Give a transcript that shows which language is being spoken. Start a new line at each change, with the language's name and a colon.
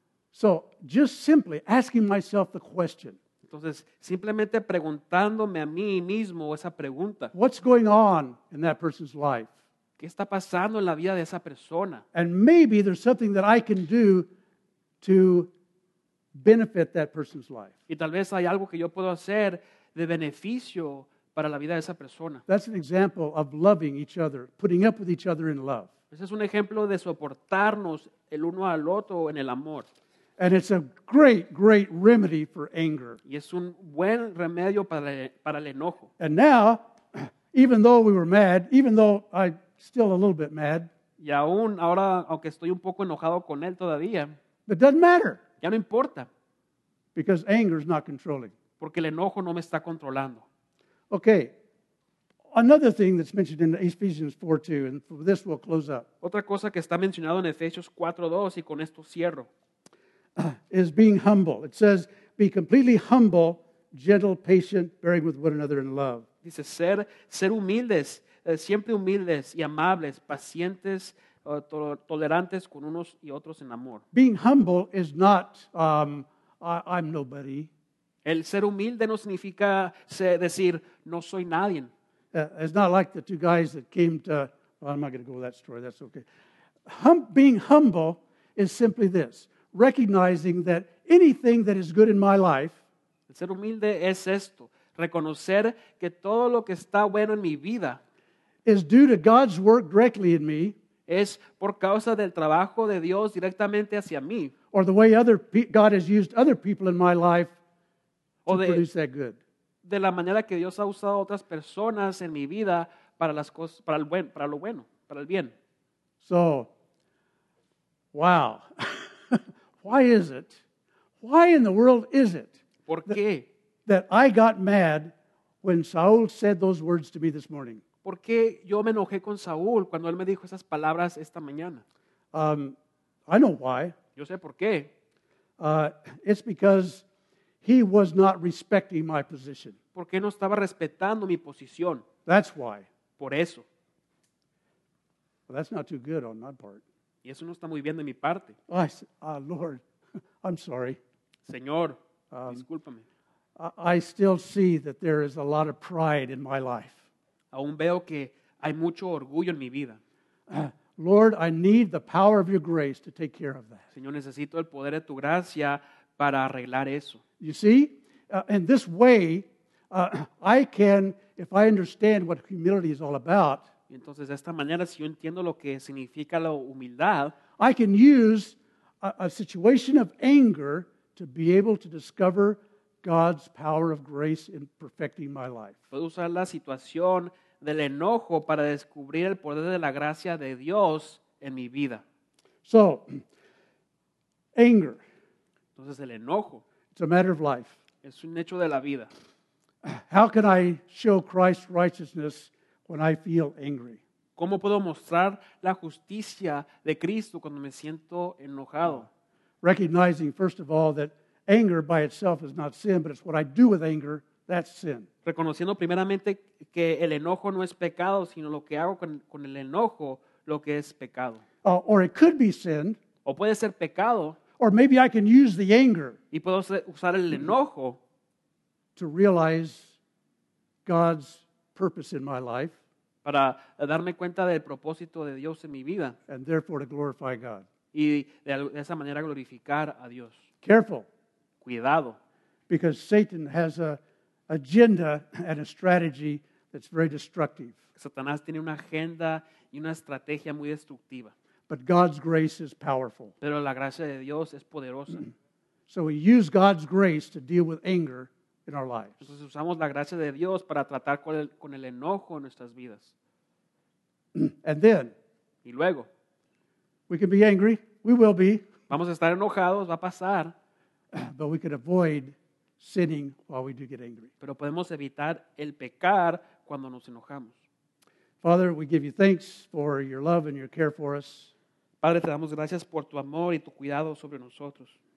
English: So, just simply asking myself the question.
Spanish: Entonces, simplemente preguntándome a mí mismo esa pregunta.
English: What's going on in that person's life?
Spanish: ¿Qué está pasando en la vida de esa persona?
English: And maybe there's something that I can do to benefit that person's life.
Spanish: Y tal vez hay algo que yo puedo hacer de beneficio para la vida de esa persona.
English: That's an example of loving each other, putting up with each other in love.
Spanish: Ese es un ejemplo de soportarnos el uno al otro en el amor.
English: And it's a great, great remedy for anger.
Spanish: Y es un buen remedio para el enojo.
English: And now, even though we were mad, even though I'm still a little bit mad,
Spanish: y aún ahora, aunque estoy un poco enojado con él todavía,
English: it doesn't matter.
Spanish: Ya no importa.
English: Because anger is not controlling.
Spanish: Porque el enojo no me está controlando.
English: Okay. Another thing that's mentioned in Ephesians 4:2, and for this we'll close up.
Spanish: Otra cosa que está mencionado en Efesios 4:2 y con esto cierro.
English: Is being humble. It says, be completely humble, gentle, patient, bearing with one another in love.
Spanish: Dice ser humildes, siempre humildes y amables, pacientes, tolerantes con unos y otros en amor.
English: Being humble is not I'm nobody.
Spanish: El ser humilde no significa decir no soy nadie.
English: It's not like the two guys that came to, well, I'm not going to go with that story, that's okay. Being humble is simply this, recognizing that anything that is good in my life,
Spanish: el ser humilde es esto, reconocer que todo lo que está bueno en mi vida
English: is due to God's work directly in me,
Spanish: es por causa del trabajo de Dios directamente hacia mí,
English: or the way God has used other people in my life to produce that good.
Spanish: De la manera que Dios ha usado a otras personas en mi vida para las cosas, para el buen, para lo bueno, para el bien.
English: So, wow. Why is it? Why in the world is it?
Spanish: ¿Por qué?
English: That I got mad when Saul said those words to me this morning.
Spanish: ¿Por qué yo me enojé con Saul cuando él me dijo esas palabras esta mañana?
English: I know why.
Spanish: Yo sé por qué.
English: It's because he was not respecting my position.
Spanish: Porque no estaba respetando mi posición.
English: That's why.
Spanish: Por eso.
English: Well, that's not too good on my part.
Spanish: Y eso no está muy bien de mi parte.
English: Oh, I said, Lord, I'm sorry.
Spanish: Señor, discúlpame.
English: I still see that there is a lot of pride in my life.
Spanish: Aún veo que hay mucho orgullo en mi vida.
English: Lord, I need the power of your grace to take care of that.
Spanish: Señor, necesito el poder de tu gracia para arreglar eso.
English: You see, in this way, I can, if I understand what humility is all about,
Spanish: entonces, de esta manera, si yo entiendo lo que significa la humildad,
English: I can use a situation of anger to be able to discover God's power of grace in perfecting my life.
Spanish: Puedo usar la situación del enojo para descubrir el poder de la gracia de Dios en mi vida.
English: So, anger.
Spanish: Entonces, el enojo.
English: It's a matter of life.
Spanish: Es un hecho de la vida.
English: How can I show Christ's righteousness when I feel angry?
Spanish: ¿Cómo puedo mostrar la justicia de Cristo cuando me siento enojado?
English: Recognizing, first of all, that anger by itself is not sin, but it's what I do with anger, that's sin.
Spanish: Reconociendo primeramente que el enojo no es pecado, sino lo que hago con el enojo, lo que es pecado.
English: Or it could be sin.
Spanish: O puede ser pecado.
English: Or maybe I can use the anger
Spanish: y puedo usar el enojo
English: to realize God's purpose in my life
Spanish: para darme cuenta del propósito de Dios en mi vida
English: and therefore to glorify God.
Spanish: Y de esa manera glorificar a Dios.
English: Careful.
Spanish: Cuidado.
English: Because Satan has an agenda and a strategy that's very destructive.
Spanish: Satanás tiene una agenda y una estrategia muy destructiva.
English: But God's grace is powerful.
Spanish: Pero la gracia de Dios es poderosa.
English: So we use God's grace to deal with anger in our lives.
Spanish: Entonces usamos la gracia de Dios para tratar con el enojo en nuestras vidas.
English: And then,
Spanish: y luego,
English: we can be angry. We will be.
Spanish: Vamos a estar enojados. Va a pasar.
English: But we can avoid sinning while we do get angry.
Spanish: Pero podemos evitar el pecar cuando nos enojamos.
English: Father, we give you thanks for your love and your care for us.
Spanish: Padre, te damos gracias por tu amor y tu cuidado sobre nosotros.